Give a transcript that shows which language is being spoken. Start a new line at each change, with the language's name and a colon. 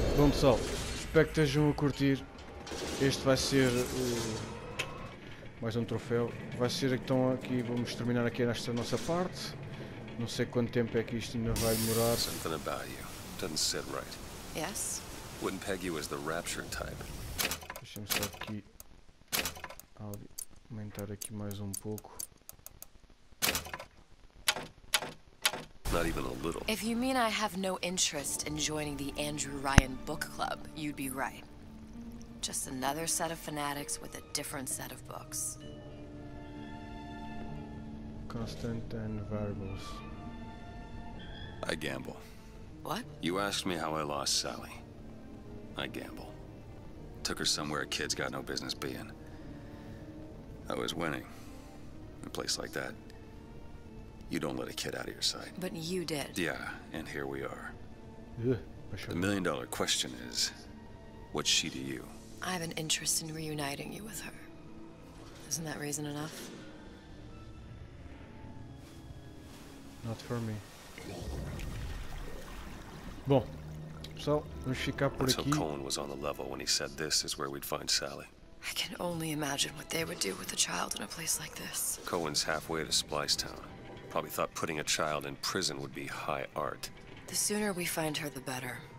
Portuguese: pessoal, espero que estejam a curtir. Este vai ser mais um troféu. Vai ser então aqui, vamos terminar aqui nesta nossa parte. Não sei quanto tempo é que isto ainda vai demorar.
English: Something about you doesn't sit right. Yes? Wouldn't peg you as the rapture type.
Portuguese: Deixa-me só aqui aumentar aqui mais um pouco.
English: Not even a little. If you mean I have no interest in joining the Andrew Ryan book club, you'd be right. Just another set of fanatics with a different set of books. Constant and variables. I gamble. What? You asked me how I lost Sally. I gamble. Took her somewhere a kid's got no business being. I was winning. In a place like that, you don't let a kid out of your sight. But you did. Yeah, and here we are. Sure. The million-dollar question is, what's she to you? I have an interest in reuniting you with her. Isn't that reason enough? Not for me.
Portuguese: Bom, pessoal, vamos ficar por aqui.
English: Until Cohen was on the level when he said this is where we'd find Sally. I can only imagine what they would do with a child in a place like this. Cohen's halfway to Splice Town. Probably thought putting a child in prison would be high art. The sooner we find her, the better.